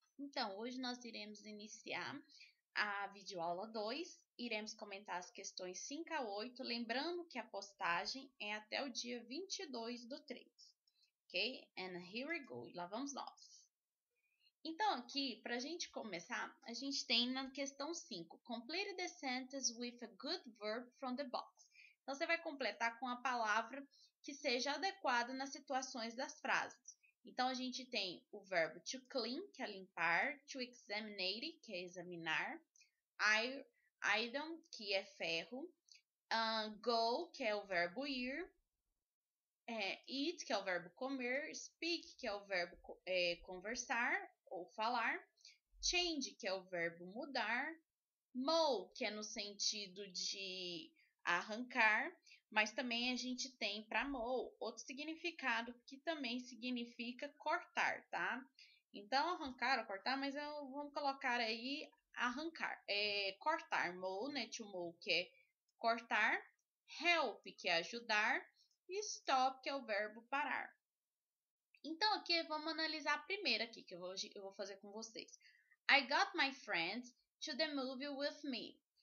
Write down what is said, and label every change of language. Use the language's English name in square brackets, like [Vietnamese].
[Portuguese] Então, hoje nós iremos iniciar a videoaula 2. Iremos comentar as questões 5 a 8, lembrando que a postagem é até o dia 22 do 3. Ok? [English] And here we go. [Portuguese] Lá vamos nós. Então, aqui, para a gente começar, a gente tem na questão 5. [English] Complete the sentence with a good verb from the box. [Portuguese] Então, você vai completar com a palavra que seja adequada nas situações das frases. Então, a gente tem o verbo to clean, que é limpar, to examine, que é examinar, iron, que é ferro, go, que é o verbo ir, eat, que é o verbo comer, speak, que é o verbo conversar ou falar, change, que é o verbo mudar, mow, que é no sentido de arrancar, mas também a gente tem para mow outro significado que também significa cortar, tá? Então, arrancar ou cortar, mas vamos colocar aí arrancar, cortar, mow, né? To mow, que é cortar, help, que é ajudar, e stop, que é o verbo parar. Então, aqui vamos analisar a primeira aqui que eu vou fazer com vocês. [English] I got my friend to the movie with me.